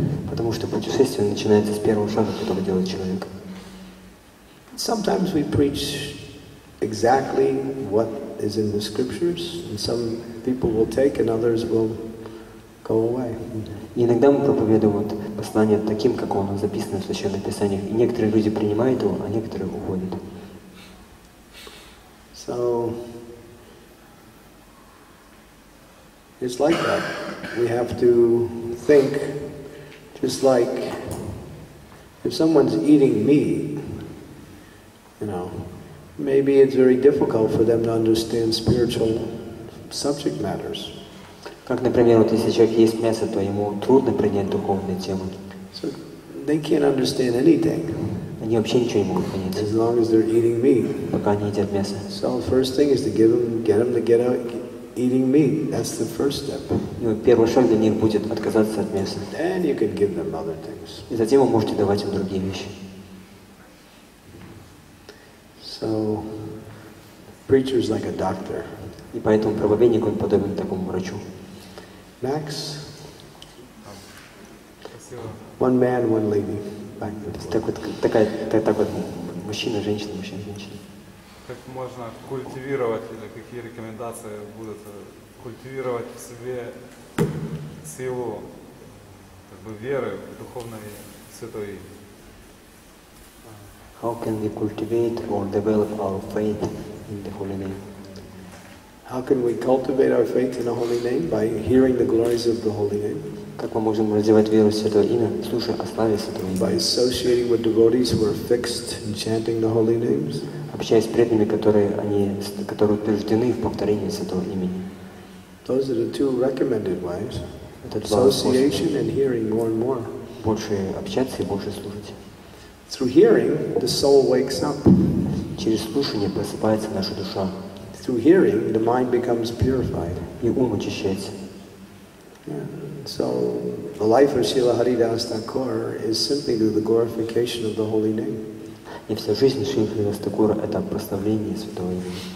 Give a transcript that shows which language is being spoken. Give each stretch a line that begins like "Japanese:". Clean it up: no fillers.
Russian: Потому что путешествие начинается с первого шага, который делает человек.
English: Sometimes we preach exactly what is in the scriptures, and some people will take, and others will go away.
Russian: Иногда мы проповедуем послание таким, как оно записано в Священном Писании, и некоторые люди принимают его, а некоторые уходят.
English: So it's like that. We have to think, just like if someone's eating meat, you know, maybe it's very difficult for them to understand spiritual subject matters.
Russian: Как, например, вот если человек ест мясо, то ему трудно принять духовные темы.
English: So they can't understand anything.
Russian: Они вообще ничего не могут понять.
English: As long as they're eating meat.
Russian: Пока они едят мясо.
English: So the first thing is to get them to get out eating meat. That's the first step.
Russian: И вот первый шаг для них будет отказаться от мяса.
English: Then you can give them other things.
Russian: И затем вы можете давать им другие вещи.
English: So, preacher is like a doctor.
Russian: И поэтому проповедник он подобен такому врачу.
English: Max, one man, one lady.
Russian: Так вот, мужчина, женщина. Как можно культивировать или какие рекомендации будут культивировать в себе силу, как бы веры в духовное святое имя?
English: How can we cultivate or develop our faith in the Holy Name? How can we cultivate our faith in the Holy Name? By hearing the glories of the Holy Name.
Russian: Как мы можем развивать веру в Святое Имя, слушая о славе Святого Имени?
English: By associating with devotees who are fixed in chanting the Holy Names.
Russian: Общаясь с преданными, которые утверждены в повторении Святого Имени.
English: Those are the two recommended ways.
Russian: Это
English: association and hearing more and more.
Russian: Больше общаться и больше слушать.
English: Through hearing, the soul wakes up.
Russian: Через слушание просыпается наша душа.
English: Through hearing, the mind becomes purified.
Russian: И ум очищается.
English: Yeah. So, the life of Srila Haridas Thakur is simply through the glorification of the Holy Name.
Russian: И вся жизнь Шрилы Харидас Такура — это прославление Святого Имени.